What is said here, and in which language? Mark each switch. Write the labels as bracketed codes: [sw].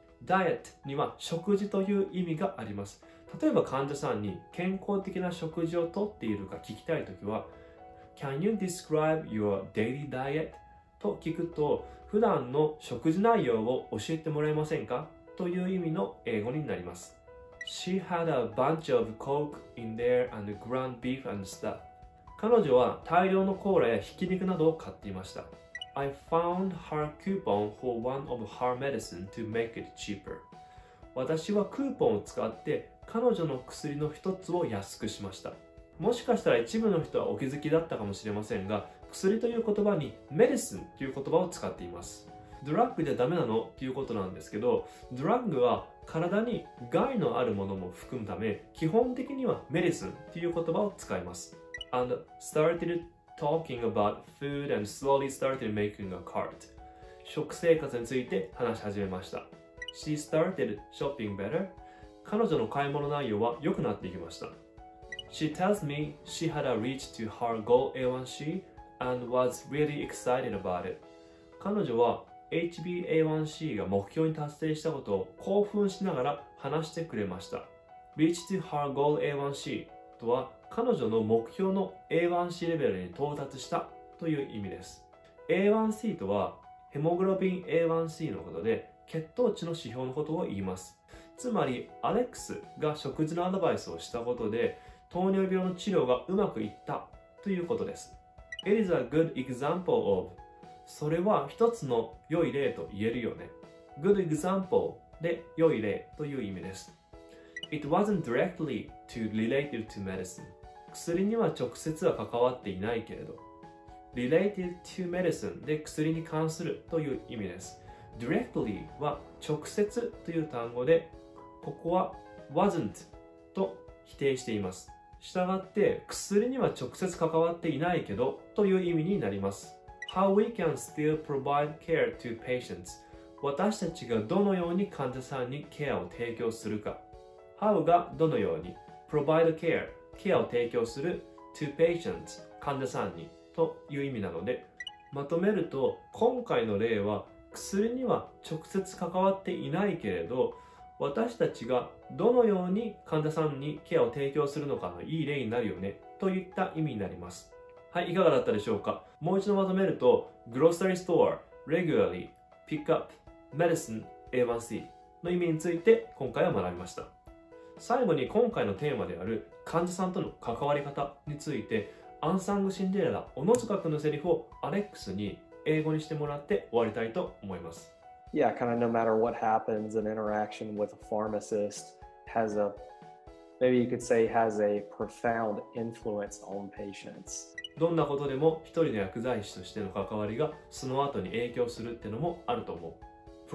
[ja] Diet には食事という意味があります。例えば患者さんに健康的な食事をとっているか聞きたいときは、 [en] Can you describe your daily diet? [ja] と聞くと、普段の食事内容を教えてもらえませんかという意味の英語になります。 [en] She had a bunch of coke in there and ground beef and stuff. [ja] 彼女は大量のコーラやひき肉などを買っていました。 [en] I found her coupon for one of her medicine to make it cheaper. [ja] 私はクーポンを使って彼女の薬の一つを安くしました。もしかしたら一部の人はお気づきだったかもしれませんが、薬という言葉に medicine という言葉を使っています。ドラッグじゃダメなのということなんですけど、ドラッグは体に害のあるものも含むため、基本的には medicine という言葉を使います。 [en] And started talking about food and slowly started making a cart. [ja] 食生活について話し始めました。 [en] She started shopping better. [ja] 彼女の買い物内容は良くなっていきました。 [en] She tells me she had a reach to her goal A1C and was really excited about it. [ja] 彼女は HbA1c が目標に達成したことを興奮しながら話してくれました。 [en] Reach to her goal A1c [ja] とは彼女の目標の A1c レベルに到達したという意味です。 A1c とはヘモグロビン A1c のことで血糖値の指標のことを言います。つまりアレックスが食事のアドバイスをしたことで糖尿病の治療がうまくいったということです。 [en] It is a good example of [ja] それは一つの良い例と言えるよね。 [en] Good example [ja] で良い例という意味です。 [en] It wasn't directly to related to medicine. [ja] 薬には直接は関わっていないけれど。 Related to medicine で薬に関するという意味です。 Directly は直接という単語で、ここは wasn't と否定しています。したがって、薬には直接関わっていないけどという意味になります。 [en] How we can still provide care to patients. [ja] 私たちがどのように患者さんにケアを提供するか。 How がどのように [en] provide care, [ja] ケアを提供する [en] to patients, [ja] 患者さんにという意味なので。まとめると、今回の例は薬には直接関わっていないけれど、私たちがどのように患者さんにケアを提供するのかのいい例になるよね、といった意味になります。はい、いかがだったでしょうか。もう一度まとめると、Grocery Store, Regularly, Pick Up, Medicine, A1C の意味について今回は学びました。最後に今回のテーマである患者さんとの関わり方について、アンサングシンデレラ、小野塚君のセリフをアレックスに英語にしてもらって終わりたいと思います。 [en] Yeah, kind of no matter what happens, an interaction with a pharmacist has a, maybe you could say has a profound influence on patients. [ja] どんなことでも一人の薬剤師としての関わりがその後に影響するってのもあると思う。